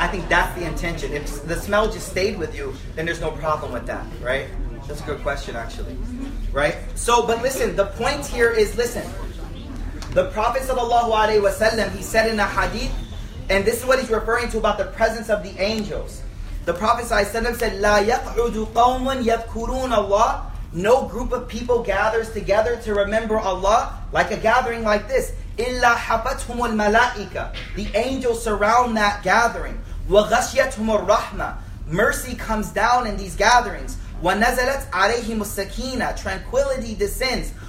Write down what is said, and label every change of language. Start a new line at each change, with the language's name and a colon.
English: I think that's the intention. If the smell just stayed with you, then there's no problem with that, right? That's a good question, actually, right? So, but listen, the point here is, listen, the Prophet sallallahu alayhi wasallam, he said in a hadith, and this is what he's referring to about the presence of the angels. The Prophet ﷺ said,
Arabic: لَا يَقْعُدُ قَوْمٌ يَذْكُرُونَ اللَّهِ.
English: No group of people gathers together to remember Allah, like a gathering like this.
Arabic: إِلَّا حَفَتْهُمُ الْمَلَائِكَةِ.
English: The angels surround that gathering.
Arabic: وَغَشْيَتْهُمُ الرَّحْمَةِ.
English: Mercy comes down in these gatherings.
Arabic: وَنَزَلَتْ عَلَيْهِمُ السَّكِينَةِ.
English: Tranquility descends.